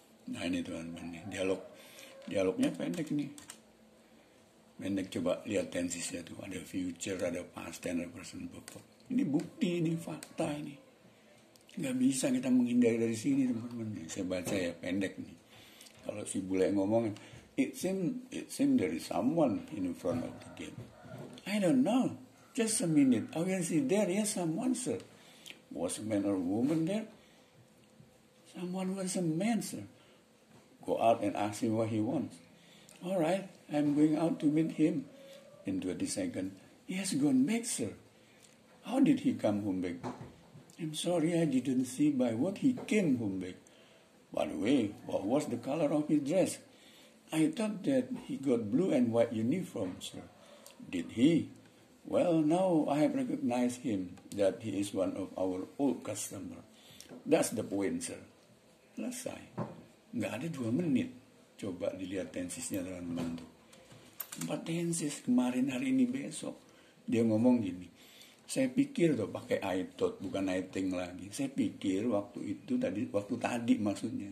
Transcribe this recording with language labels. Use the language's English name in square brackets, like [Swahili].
[Indonesian] Nah ini teman-teman nih, dialog. Dialognya pendek nih. Pendek, coba lihat tensesnya tuh. Ada future, ada past tense, ada present perfect. Ini bukti, ini fakta ini. Gak bisa kita menghindari dari sini teman-teman. Saya baca ya, pendek nih. Kalau si bule ngomong, [English] it seem there is someone in front of the gate. I don't know, just a minute. Oh yes, there is someone, sir. Was a man or woman there? Someone was a man, sir. Go out and ask him what he wants. All right, I'm going out to meet him in 20 seconds. He has gone back, sir. How did he come home back? I'm sorry, I didn't see by what he came home back. By the way, what was the color of his dress? I thought that he got blue and white uniform, sir. Did he? Well, now I have recognized him, that he is one of our old customer. That's the point, sir. [Indonesian] Selesai. Nggak ada 2 menit. Coba dilihat tensesnya dengan mantu. 4 tenses, kemarin, hari ini, besok. Dia ngomong gini. Saya pikir tuh pakai [English] I thought, [Indonesian] bukan [English] I think [Indonesian] lagi. Saya pikir waktu itu tadi, waktu tadi maksudnya.